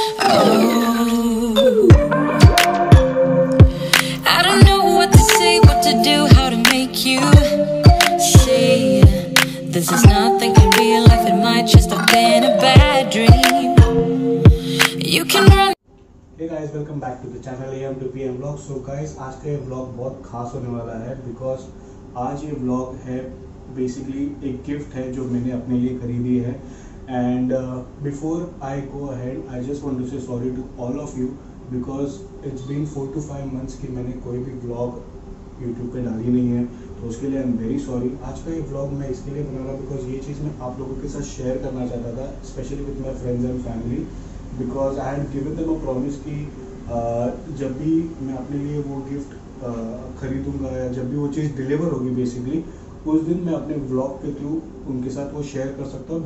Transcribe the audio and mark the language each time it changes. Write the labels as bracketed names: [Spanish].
[English] Oh, I don't know what to say, what to do, how to make you see this is nothing can be life. It might just have been a bad dream. You can run. Hey guys, welcome back to the channel AM2PM Vlog. So guys, [Hindi] आज का ये vlog बहुत खास होने वाला है, because आज ये vlog है basically एक gift है जो मैंने अपने लिए खरीदी है. [English] And before I go ahead, I just want to say sorry to all of you, because it's been 4 to 5 months [Hindi] कि मैंने कोई भी vlog YouTube पे डाली नहीं है, तो उसके लिए [English] I'm very sorry. [Hindi] आज का ये vlog मैं इसके लिए बना रहा, because ये चीज़ मैं आप लोगों के साथ share करना चाहता था, [English] especially with my friends and family. Because I had given them a promise [Hindi] कि जब भी मैं अपने लिए वो gift खरीदूंगा या जब भी वो चीज़ deliver होगी basically, उस दिन मैं अपने vlog के थ्रू उनके साथ वो share कर सकता हूँ.